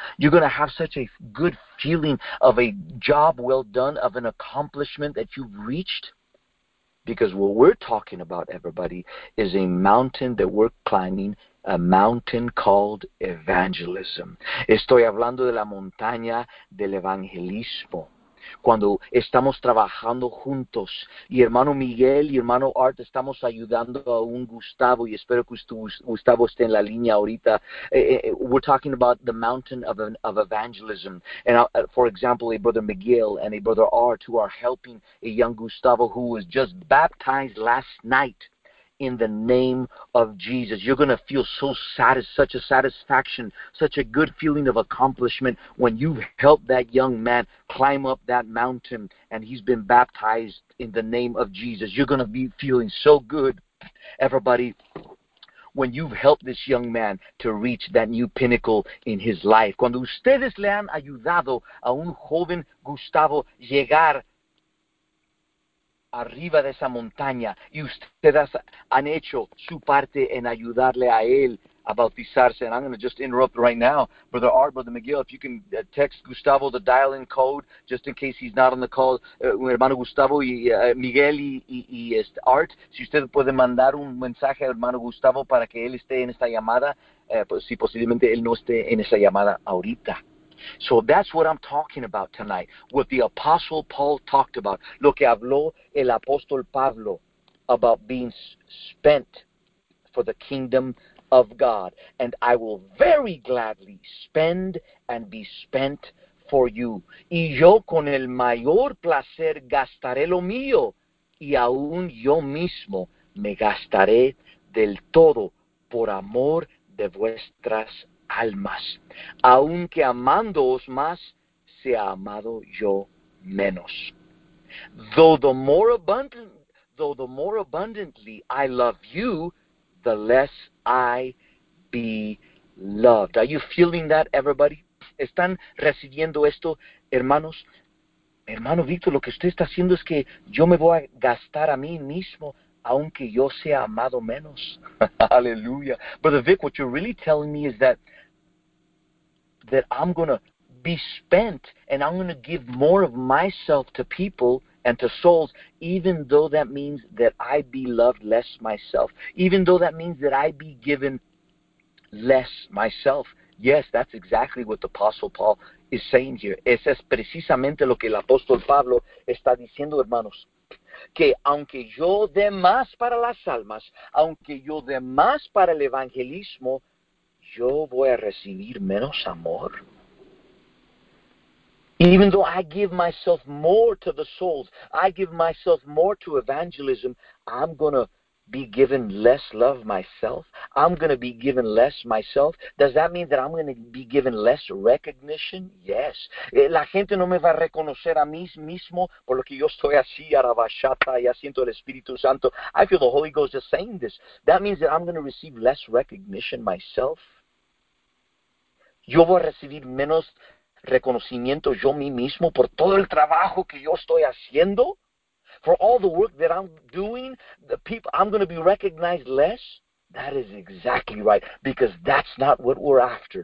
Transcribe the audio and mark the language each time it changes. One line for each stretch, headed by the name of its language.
English: You're going to have such a good feeling of a job well done, of an accomplishment that you've reached. Because what we're talking about, everybody, is a mountain that we're climbing, a mountain called evangelism.
Spanish: Estoy hablando de la montaña del evangelismo. Cuando estamos trabajando juntos, y hermano Miguel y hermano Art, estamos ayudando a un Gustavo, y espero que Gustavo esté en la línea ahorita.
English: We're talking about the mountain of evangelism. And for example, a brother Miguel and a brother Art who are helping a young Gustavo who was just baptized last night in the name of Jesus. You're going to feel such a satisfaction, such a good feeling of accomplishment when you've helped that young man climb up that mountain and he's been baptized in the name of Jesus. You're going to be feeling so good, everybody, when you've helped this young man to reach that new pinnacle in his life.
Spanish: Cuando ustedes le han ayudado a un joven Gustavo llegar arriba de esa montaña y ustedes han hecho su parte en ayudarle a él a bautizarse.
English: And I'm going to just interrupt right now, Brother Art, Brother McGill, if you can text Gustavo the dial-in code, just in case he's not on the call,
Spanish: hermano Gustavo y Miguel y este Art, si usted puede mandar un mensaje al hermano Gustavo para que él esté en esta llamada, pues si posiblemente él no esté en esa llamada ahorita.
English: So that's what I'm talking about tonight, what the Apostle Paul talked about,
Spanish: lo que habló el Apóstol Pablo
English: about being spent for the kingdom of God, and I will very gladly spend and be spent for you.
Spanish: Y yo con el mayor placer gastaré lo mío, y aún yo mismo me gastaré del todo por amor de vuestras almas. Aunque amándoos más, sea amado yo menos.
English: Though the more abundantly I love you, the less I be loved. Are you feeling that, everybody?
Spanish: ¿Están recibiendo esto, hermanos? Hermano Víctor, lo que usted está haciendo es que yo me voy a gastar a mí mismo, aunque yo sea amado menos. Aleluya.
English: Brother Vic, what you're really telling me is that I'm going to be spent and I'm going to give more of myself to people and to souls, even though that means that I be loved less myself. Even though that means that I be given less myself. Yes, that's exactly what the Apostle Paul is saying here.
Spanish: Ese es precisamente lo que el Apóstol Pablo está diciendo, hermanos. Que aunque yo dé más para las almas, aunque yo dé más para el evangelismo, yo voy a recibir menos amor.
English: Even though I give myself more to the souls, I give myself more to evangelism, I'm going to be given less love myself. I'm going to be given less myself. Does that mean that I'm going to be given less recognition? Yes.
Spanish: La gente no me va a reconocer a mí mismo por lo que yo estoy así, arabashata, ya siento el Espíritu Santo.
English: I feel the Holy Ghost is saying this. That means that I'm going to receive less recognition myself.
Spanish: Yo voy a recibir menos reconocimiento yo mí mismo por todo el trabajo que yo estoy haciendo.
English: For all the work that I'm doing, the people, I'm going to be recognized less. That is exactly right, because that's not what we're after.